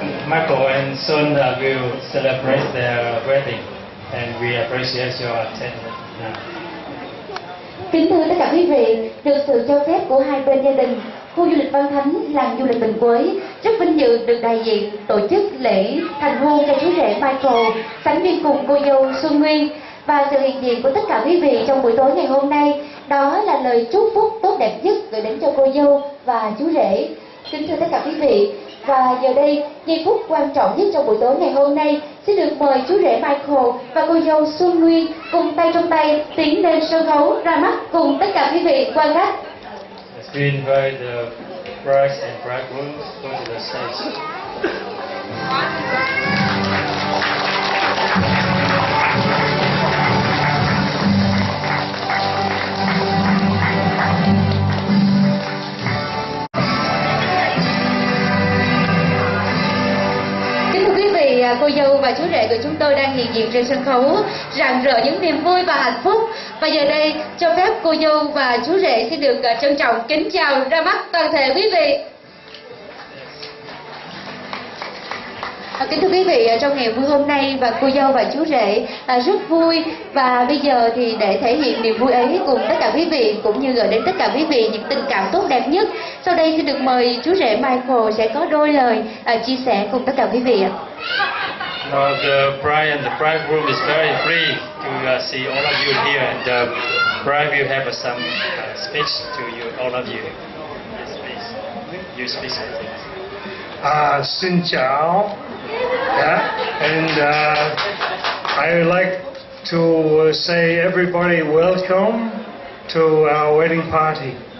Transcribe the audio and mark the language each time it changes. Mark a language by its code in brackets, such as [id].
[en] Michael and Xuân will celebrate their wedding and we appreciate your attendance now. [vi] Kính thưa tất cả quý vị, được sự cho phép của hai bên gia đình, khu du lịch Văn Thánh làng du lịch Bình Quế rất vinh dự được đại diện tổ chức lễ thành hôn cho chú rể Michael sánh vai cùng cô dâu Xuân Nguyên. Và sự hiện diện của tất cả quý vị trong buổi tối ngày hôm nay đó là lời chúc phúc tốt đẹp nhất gửi đến cho cô dâu và chú rể. Kính thưa tất cả quý vị, và giờ đây giây phút quan trọng nhất trong buổi tối ngày hôm nay sẽ được mời chú rể Michael và cô dâu Xuân Nguyên cùng tay trong tay tiến lên sân khấu ra mắt cùng tất cả quý vị quan khách. [en] Let's invite the bride and bridegroom to the stage. [vi] Cô dâu và chú rể của chúng tôi đang hiện diện trên sân khấu, rạng rỡ những niềm vui và hạnh phúc. Và giờ đây, cho phép cô dâu và chú rể xin được trân trọng kính chào ra mắt toàn thể quý vị. Kính thưa quý vị, trong ngày vui hôm nay và cô dâu và chú rể rất vui, và bây giờ thì để thể hiện niềm vui ấy cùng tất cả quý vị cũng như gửi đến tất cả quý vị những tình cảm tốt đẹp nhất, sau đây xin được mời chú rể Michael sẽ có đôi lời chia sẻ cùng tất cả quý vị. [en] Now the bride and the bridegroom is very free to see all of you here, and the bride will have some speech to you, all of you. Yes, please. You speak something. [vi] Xin chào. [en] Yeah, and I would like to say everybody welcome to our wedding party.